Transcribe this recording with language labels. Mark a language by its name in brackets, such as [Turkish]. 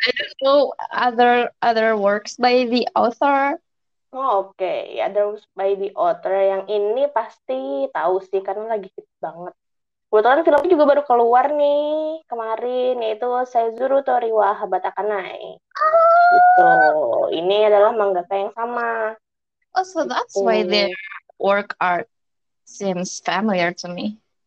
[English] I don't know other works by the author. [Indonesian] Oh, oke. Ada [English] by the author [Indonesian] yang ini pasti tahu sih karena lagi hit banget. Kebetulan filmnya juga baru keluar nih kemarin, yaitu Saizuru Toriwa Habatakanai. Gitu. Ini adalah mangaka yang sama. [English] Oh, so that's [Indonesian] Gitu. [English] why their work art seems familiar to me.